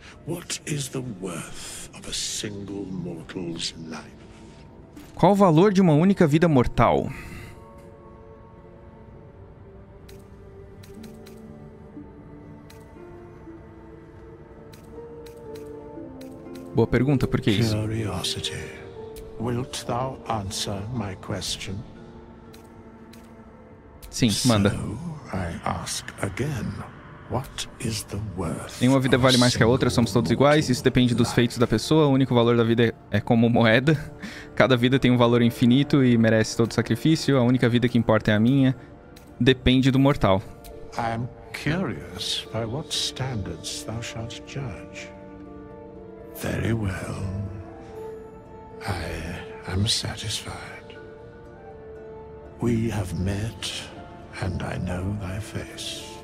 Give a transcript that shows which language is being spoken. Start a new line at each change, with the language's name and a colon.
English: What is the worth of a single mortal's life?
Portuguese: Qual o valor de uma única vida mortal? Boa pergunta, por que isso?
English: Curiosity. Wilt thou answer my question?
Portuguese: Sim, manda.
English: I ask again. What is the worth?
Portuguese: Nenhuma vida vale mais que a outra, somos todos iguais. Isso depende dos feitos da pessoa. O único valor da vida é como moeda. Cada vida tem um valor infinito e merece todo sacrifício. A única vida que importa é a minha. Depende do mortal.
English: I am curious by what standards thou shalt judge. Very well. I am satisfied. We have met and I know thy face.